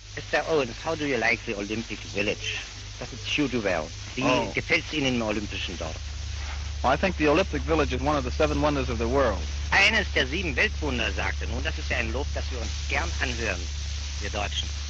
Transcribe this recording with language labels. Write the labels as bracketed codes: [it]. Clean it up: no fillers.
[en] Sir Owens, how do you like the Olympic Village? Does it suit you well? [de] Gefällt's Ihnen im Olympischen Dorf? [en] Well, I think the Olympic Village is one of the seven wonders of the world. [de] Eines der sieben Weltwunder, sagte. Nun, das ist ja ein Lob, das wir uns gern anhören, wir Deutschen.